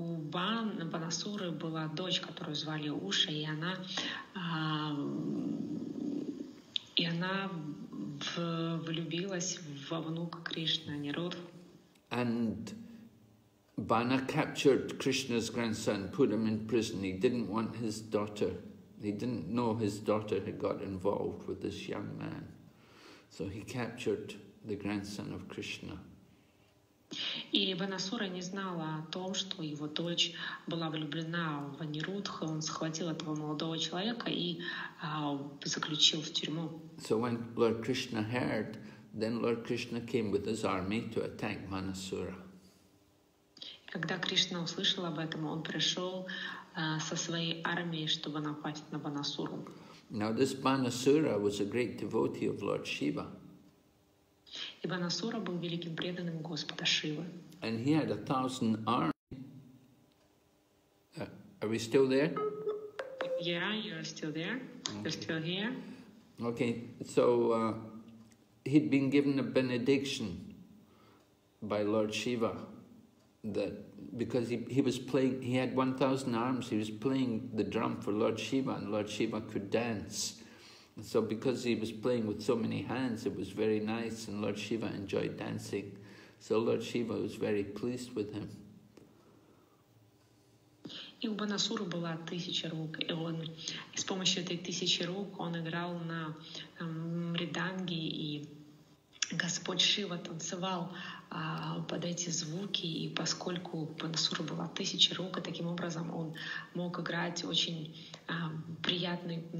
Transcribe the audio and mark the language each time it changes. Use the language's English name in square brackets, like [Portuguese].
[Russian] Банасуры была дочь, которую звали Уша, и она влюбилась во внука Кришны Анирудху. [English] And Bana captured Krishna's grandson, put him in prison. He didn't want his daughter. He didn't know his daughter had got involved with this young man. So he captured the grandson of Krishna. [Russian] И Банасура не знала о том, что его дочь была влюблена в Анирудху. Он схватил этого молодого человека и заключил в тюрьму. [English] So when Lord Krishna heard, then Lord Krishna came with his army to attack Banasura. [Russian] Когда Кришна услышал об этом, он пришел со своей армией, чтобы напасть на Банасуру. [English] Now this Banasura was a great devotee of Lord Shiva. [Russian] И Банасура был великим преданным Господа Шивы. [English] And he had 1,000 army. Are we still there? Yeah, you're still there. Okay. You're still here. Okay, so he'd been given a benediction by Lord Shiva. That because he was playing, he had 1,000 arms, he was playing the drum for Lord Shiva, and Lord Shiva could dance. So because he was playing with so many hands, it was very nice, and Lord Shiva enjoyed dancing. So Lord Shiva was very pleased with him. [Russian] И у Банасуры была 1,000 рук, и он с помощью этой 1,000 рук он играл на мриданге, и Господь Шива танцевал под эти звуки, и поскольку Банасура была 1,000 рук, и таким образом он мог играть очень приятно,